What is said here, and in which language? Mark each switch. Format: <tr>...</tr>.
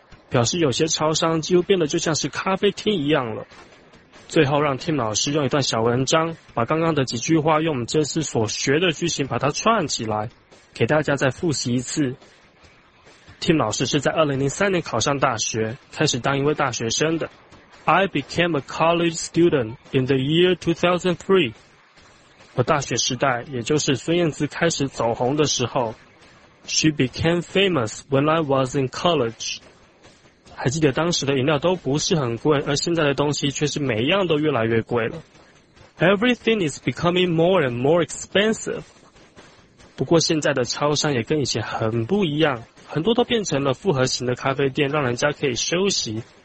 <zh>表示有些超商几乎变得就像是咖啡厅一样了。最后让 Tim 老师用一段小文章，把刚刚的几句话用我们这次所学的句型把它串起来，给大家再复习一次。 Tim 老师是在2003年考上大学，开始当一位大学生的。</zh> <en>I became a college student in the year 2003.</en> <zh>我大学时代，也就是孙燕姿开始走红的时候。</zh> <en>She became famous when I was in college.</en> <zh>还记得当时的饮料都不是很贵，而现在的东西却是每一样都越来越贵了。</zh> <en>Everything is becoming more and more expensive.</en> <zh>不过现在的超商也跟以前很不一样，很多都变成了复合型的咖啡店，让人家可以休息。</zh>